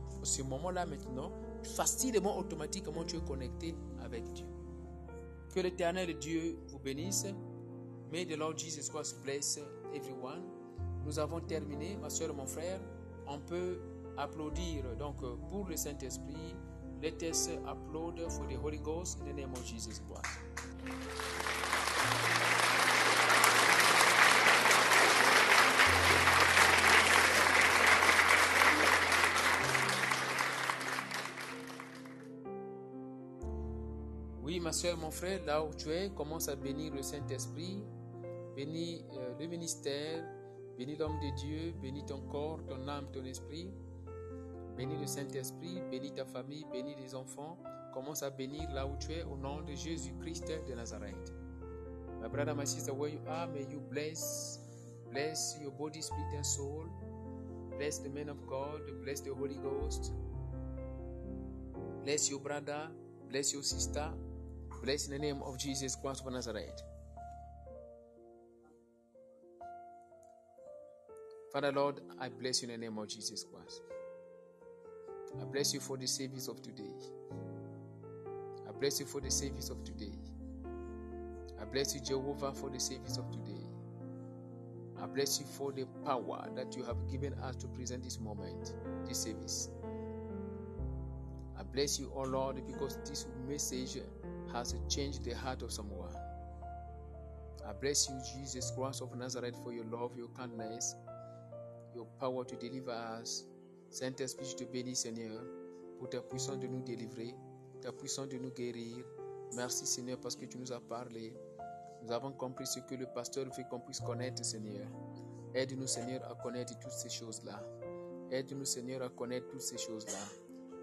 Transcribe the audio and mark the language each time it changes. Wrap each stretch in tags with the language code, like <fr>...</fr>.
<fr>En ce moment-là, maintenant, facilement, automatiquement, tu es connecté avec Dieu. Que l'Éternel Dieu vous bénisse.</fr> <en>May the Lord Jesus Christ bless everyone.</en> <fr>Nous avons terminé, ma soeur, mon frère. On peut applaudir donc pour le Saint-Esprit.</fr> <en>Let us applaud for the Holy Ghost in the name of Jesus Christ.</en> <fr>Oui, ma soeur, mon frère, là où tu es, commence à bénir le Saint-Esprit. Bénis le ministère. Bénis l'homme de Dieu, bénis ton corps, ton âme, ton esprit. Bénis le Saint-Esprit, bénis ta famille, bénis les enfants. Commence à bénir là où tu es au nom de Jésus-Christ de Nazareth.</fr> <en>My brother, my sister, where you are, may you bless your body, spirit and soul. Bless the man of God, bless the Holy Ghost. Bless your brother, bless your sister. Bless in the name of Jesus Christ of Nazareth. Father Lord, I bless you in the name of Jesus Christ. I bless you for the service of today. I bless you for the service of today. I bless you, Jehovah, for the service of today. I bless you for the power that you have given us to present this moment, this service. I bless you, O Lord, because this message has changed the heart of someone. I bless you, Jesus Christ of Nazareth, for your love, your kindness, your power to deliver us.</en> <fr>Saint-Esprit, je te bénis, Seigneur, pour ta puissance de nous délivrer, ta puissance de nous guérir. Merci, Seigneur, parce que tu nous as parlé. Nous avons compris ce que le pasteur veut qu'on puisse connaître, Seigneur. Aide-nous, Seigneur, à connaître toutes ces choses-là. Aide-nous, Seigneur, à connaître toutes ces choses-là.</fr>